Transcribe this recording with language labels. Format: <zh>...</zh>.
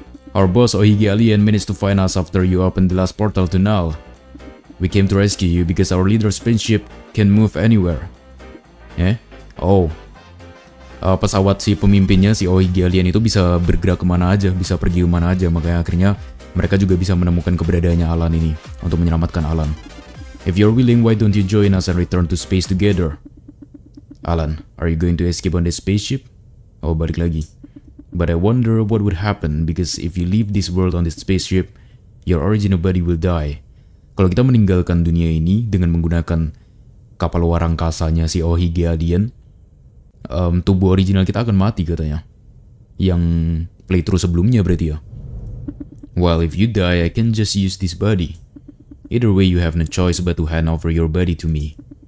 <en>Our boss, Ohige Alien, managed to find us after you opened the last portal to Null. We came to rescue you because our leader's spaceship can move anywhere. Eh? Oh.</en> <id>Pesawat si pemimpinnya, si Ohige Alien itu bisa bergerak kemana aja, bisa pergi kemana aja. Makanya akhirnya mereka juga bisa menemukan keberadaannya Alan ini untuk menyelamatkan Alan.</id> <en>If you're willing, why don't you join us and return to space together? Alan, are you going to escape on the spaceship?</en> <id>Oh, balik lagi.</id> <en>But I wonder what would happen, because if you leave this world on this spaceship, your original body will die.</en> <id>Kalau kita meninggalkan dunia ini dengan menggunakan kapal luar angkasanya si Ohige Alien, tubuh original kita akan mati katanya. Yang playthrough sebelumnya berarti ya.</id> <en>Well, if you die, I can just use this body. Either way, you have no choice but to hand over your body to me.</en>